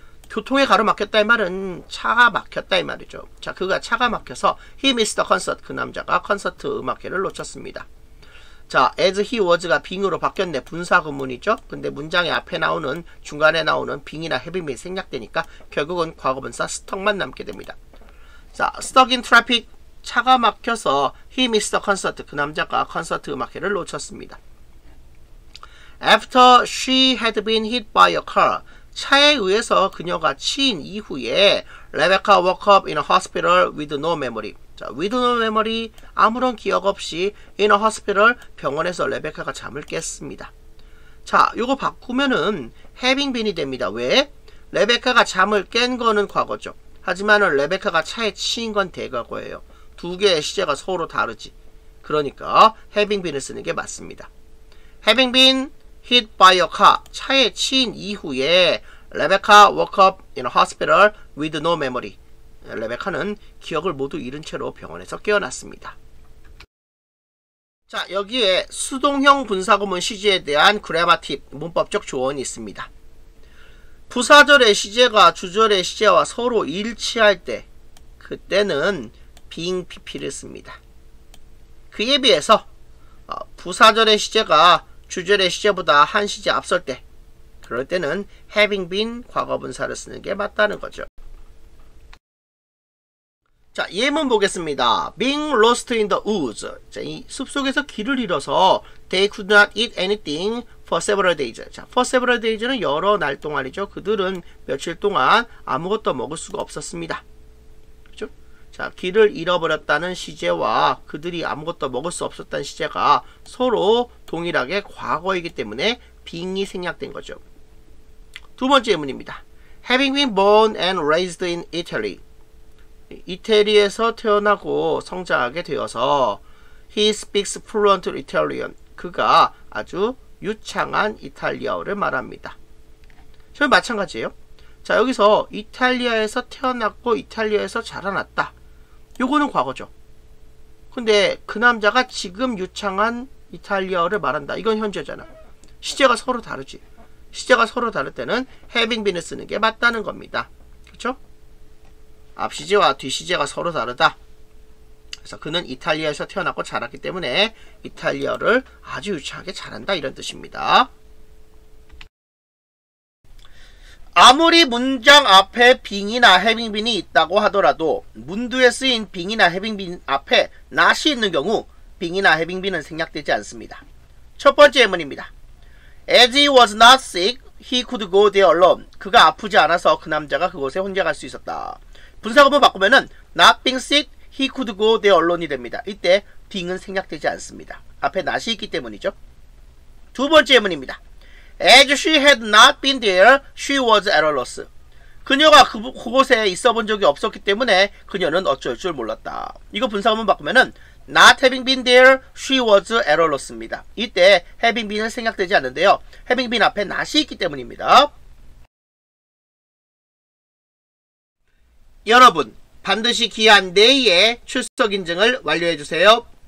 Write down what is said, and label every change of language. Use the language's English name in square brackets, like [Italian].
[Korean] 교통에 가로막혔다 이 말은 차가 막혔다 이 말이죠. 자, 그가 차가 막혀서 [English] he missed the concert. [Korean] 그 남자가 콘서트 음악회를 놓쳤습니다. 자, as he was가 being으로 바뀌었네. 분사구문이죠. 근데 문장의 앞에 나오는 중간에 나오는 being이나 having been이 생략되니까 결국은 과거분사 stuck만 남게 됩니다. [English] 자, stuck in traffic. [Korean] 차가 막혀서 [English] he missed the concert. [Korean] 그 남자가 콘서트 음악회를 놓쳤습니다. [English] After she had been hit by a car. [Korean] 차에 의해서 그녀가 치인 이후에 [English] Rebecca woke up in a hospital with no memory. [Korean] 자, [English] with no memory, [Korean] 아무런 기억 없이 [English] in a hospital, [Korean] 병원에서 레베카가 잠을 깼습니다. 자, 요거 바꾸면은 having been이 됩니다. 왜? 레베카가 잠을 깬 거는 과거죠. 하지만은 레베카가 차에 치인 건 대과거예요. 두 개의 시제가 서로 다르지. 그러니까 having been을 쓰는 게 맞습니다. [English] having been hit by a car. [Korean] 차에 치인 이후에 [English] Rebecca woke up in a hospital with no memory. [Korean] 레베카는 기억을 모두 잃은 채로 병원에서 깨어났습니다. 자, 여기에 수동형 분사구문 시제에 대한 그래마 팁, 문법적 조언이 있습니다. 부사절의 시제가 주절의 시제와 서로 일치할 때 그때는 being PP를 씁니다. 그에 비해서 부사절의 시제가 주절의 시제보다 한 시제 앞설 때 그럴 때는 having been 과거분사를 쓰는 게 맞다는 거죠. 자, 예문 보겠습니다. [English] Being lost in the woods. [Korean] 자, 이 숲속에서 길을 잃어서 [English] they could not eat anything for several days. [Korean] 자, for several days는 여러 날 동안이죠. 그들은 며칠 동안 아무것도 먹을 수가 없었습니다. 그렇죠? 자, 길을 잃어버렸다는 시제와 그들이 아무것도 먹을 수 없었다는 시제가 서로 동일하게 과거이기 때문에 being이 생략된 거죠. 두 번째 예문입니다. [English] Having been born and raised in Italy. [Korean] 이태리에서 태어나고 성장하게 되어서 [English] he speaks fluent Italian. [Korean] 그가 아주 유창한 이탈리아어를 말합니다. 저 마찬가지예요. 자, 여기서 이탈리아에서 태어났고 이탈리아에서 자라났다. 요거는 과거죠. 근데 그 남자가 지금 유창한 이탈리아어를 말한다. 이건 현재잖아. 시제가 서로 다르지. 시제가 서로 다를 때는 having been을 쓰는 게 맞다는 겁니다. 그렇죠? 앞시제와 뒤시제가 서로 다르다. 그래서 그는 이탈리아에서 태어났고 자랐기 때문에 이탈리아를 아주 유창하게 잘한다 이런 뜻입니다. 아무리 문장 앞에 being이나 having been이 있다고 하더라도 문두에 쓰인 being이나 having been 앞에 not이 있는 경우 being이나 having been은 생략되지 않습니다. 첫 번째 예문입니다. [English] As he was not sick, he could go there alone. [Korean] 그가 아프지 않아서 그 남자가 그곳에 혼자 갈 수 있었다. 분사구문 바꾸면은 [English] not being sick, he could go there alone [Korean] 이 됩니다. 이때 being은 생략되지 않습니다. 앞에 not이 있기 때문이죠. 두 번째 예문입니다. [English] As she had not been there, she was at a loss. [Korean] 그녀가 그곳에 있어 본 적이 없었기 때문에 그녀는 어쩔 줄 몰랐다. 이거 분사구문 바꾸면은 [English] not having been there, she was at a loss [Korean] 입니다. 이때 having been은 생략되지 않는데요. having been 앞에 not이 있기 때문입니다. 여러분, 반드시 기한 내에 출석 인증을 완료해 주세요.